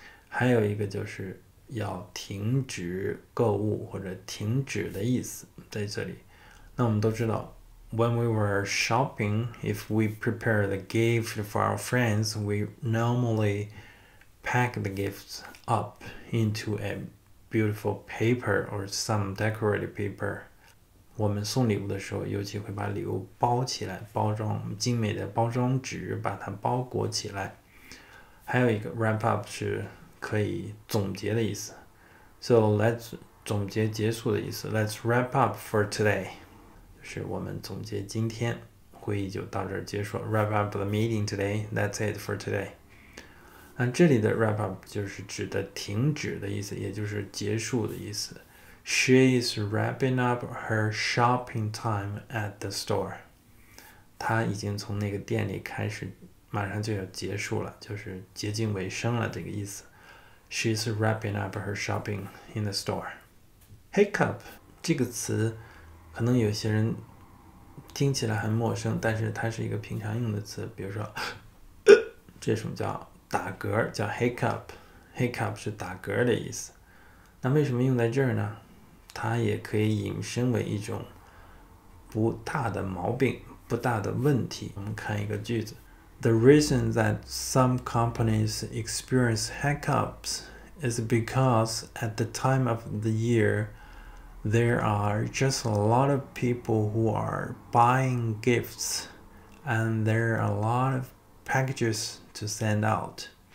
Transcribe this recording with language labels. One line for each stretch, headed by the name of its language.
Chinese: 还有一个就是要停止购物或者停止的意思，在这里。那我们都知道
English: ，When we were shopping, if we prepare the gift for our friends, we normally pack the gifts up into a beautiful paper or some decorated paper.
Chinese: 我们送礼物的时候尤其会把礼物包起来，包装精美的包装纸把它包裹起来。还有一个 wrap up 是可以总结的意思，
English: so let's
Chinese: 总结结束的意思，
English: let's wrap up for today，
Chinese: 就是我们总结今天会议就到这儿结束。
English: wrap up the meeting today， that's it for today。
Chinese: 那这里的 wrap up 就是指的停止的意思，也就是结束的意思。
English: She is wrapping up her shopping time at the store.
Chinese: 她已经从那个店里开始，马上就要结束了，就是接近尾声了这个意思。
English: She is wrapping up her shopping in the store.
Chinese: Hiccup 这个词可能有些人听起来很陌生，但是它是一个平常用的词，比如说这种叫打嗝，叫 hiccup， hiccup 是打嗝的意思。那为什么用在这儿呢？它也可以引申为一种不大的毛病，不大的问题。我们看一个句子，
English: The reason that some companies experience hiccups is because at the time of the year there are just a lot of people who are buying gifts and there are a lot of packages to send out.